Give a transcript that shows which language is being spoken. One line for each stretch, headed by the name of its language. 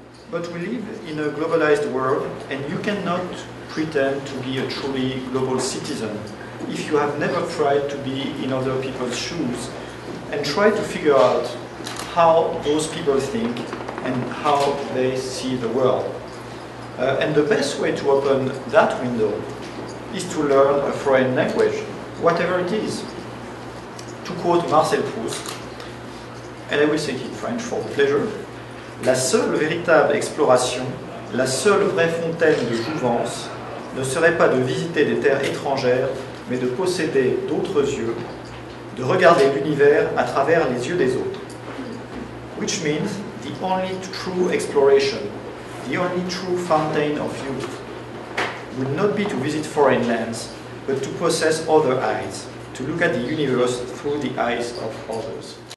English: But we live in a globalized world, and you cannot pretend to be a truly global citizen if you have never tried to be in other people's shoes and try to figure out how those people think and how they see the world. And the best way to open that window is to learn a foreign language, whatever it is. To quote Marcel Proust, and I will say it in French for pleasure,
French: la seule véritable exploration, la seule vraie fontaine de jouvence, ne serait pas de visiter des terres étrangères, mais de posséder d'autres yeux, de regarder l'univers à travers les yeux des autres.
English: Which means the only true exploration, the only true fountain of youth, would not be to visit foreign lands, but to possess other eyes, to look at the universe through the eyes of others.